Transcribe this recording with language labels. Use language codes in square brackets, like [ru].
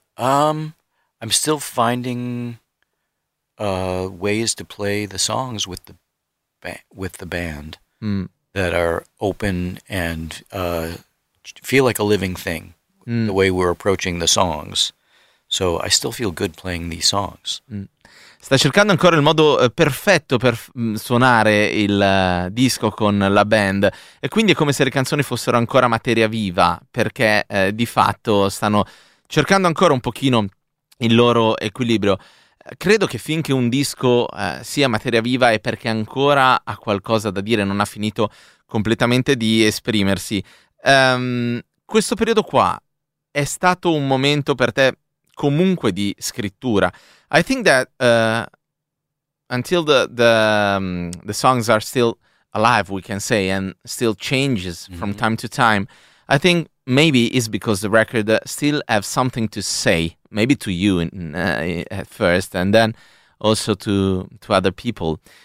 [en] I'm still finding ways to play the songs with the band. Mm. That are open and feel like a living thing, mm. the way we're approaching the songs. So I still feel good playing these songs. Mm. [it] Sta cercando ancora il modo perfetto per suonare il disco con la band, e quindi è come se le canzoni fossero ancora materia viva, perché di fatto stanno cercando ancora un pochino il loro equilibrio. Credo che finché un disco sia materia viva è perché ancora ha qualcosa da dire, non ha finito completamente di esprimersi. Questo periodo qua è stato un momento per te comunque di scrittura. [en] I think that until the songs are still alive, we can say, and still changes mm-hmm. from time to time, I think maybe it's because the record still have something to say. maybe to you at first, and then also to other people.